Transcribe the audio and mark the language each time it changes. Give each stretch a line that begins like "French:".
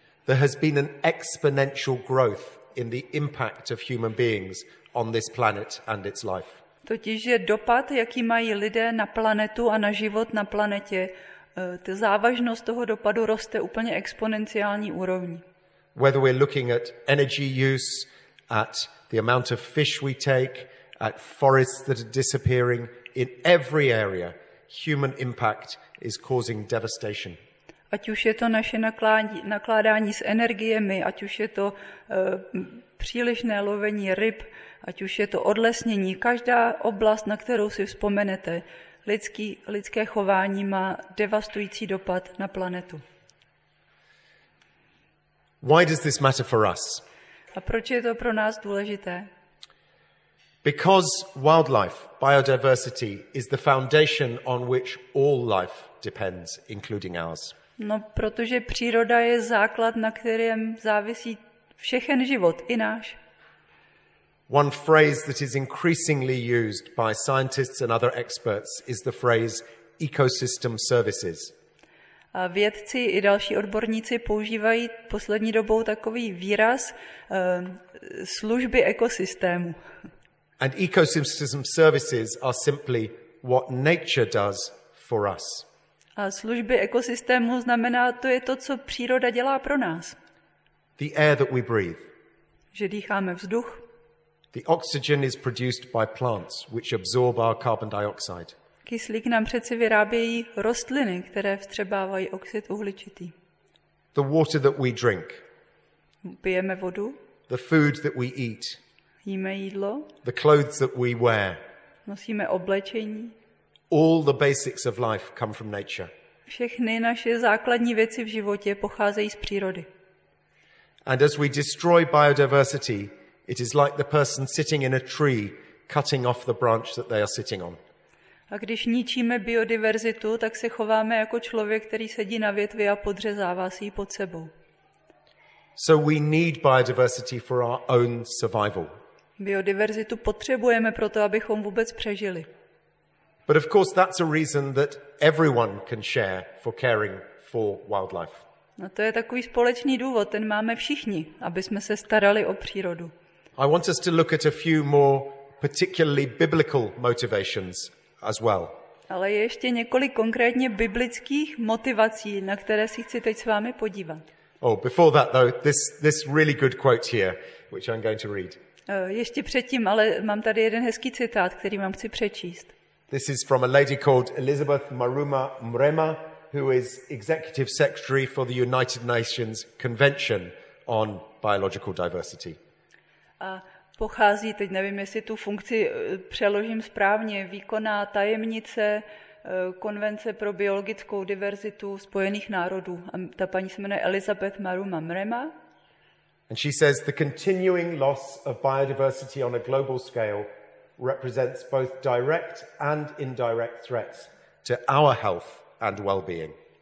English: There has been an exponential growth in the impact of human beings on this planet and its life.
Czech: Totiž je dopad, jaký mají lidé na planetu a na život na planetě, ta závažnost toho dopadu roste úplně exponenciální úrovní.
English: Whether we're looking at energy use, at the amount of fish we take, at forests that are disappearing, in every area, human impact is causing devastation.
Czech: Ať už je to naše nakládání s energiemi, ať už je to přílišné lovení ryb, ať už je to odlesnění, každá oblast, na kterou si vzpomenete, lidské chování má devastující dopad na planetu.
English: Why does this matter for us?
Czech: A proč je to pro nás důležité?
English: Because wildlife, biodiversity is the foundation on which all life depends, including ours.
Czech: No, protože příroda je základ, na kterém závisí všechen život, i náš.
English: One phrase that is increasingly used by scientists and other experts is the phrase ecosystem services.
Czech: A vědci i další odborníci používají poslední dobou takový výraz služby ekosystému.
English: And ecosystem services are simply what nature does for us.
Czech: A služby ekosystému znamená to je to, co příroda dělá pro nás.
English: The air that we breathe.
Czech: Že dýcháme vzduch.
English: The oxygen is produced by plants which absorb our carbon dioxide.
Czech: Kyslík nám přece vyrábějí rostliny, které vstřebávají oxid uhličitý.
English: The water that we drink.
Czech: Pijeme vodu.
English: The food that we eat.
Czech: Jíme jídlo.
English: The clothes that we wear.
Czech: Nosíme oblečení.
English: All the basics of life come from nature.
Czech: Všechny naše základní věci v životě pocházejí z přírody.
English: And as we destroy biodiversity, it is like the person sitting in a tree cutting off the branch that they are sitting on.
Czech: A když ničíme biodiverzitu, tak se chováme jako člověk, který sedí na větvi a podřezává si ji pod sebou.
English: So we need biodiversity for our own survival.
Czech: Biodiverzitu potřebujeme proto, abychom vůbec přežili.
English: But of course that's a reason that everyone can share for caring for wildlife.
Czech: No to je takový společný důvod, ten máme všichni, aby jsme se starali o přírodu.
English: I want us to look at a few more particularly biblical motivations. As well.
Czech: Ale je ještě několik konkrétně biblických motivací, na které si chci teď s vámi podívat.
English: Oh, before that though, this really good quote here, which I'm going to read.
Czech: Ještě předtím, ale mám tady jeden hezký citát, který vám chci přečíst.
English: This is from a lady called Elizabeth Maruma Mrema, who is executive secretary for the United Nations Convention on Biological Diversity.
Czech: Pochází, teď nevím, jestli tu funkci přeložím správně, výkonná tajemnice Konvence pro biologickou diverzitu Spojených národů. A ta paní se jmenuje Elizabeth Maruma Mrema.
English: And she says the continuing loss of biodiversity on a global scale represents both direct and indirect threats to our health and well-being.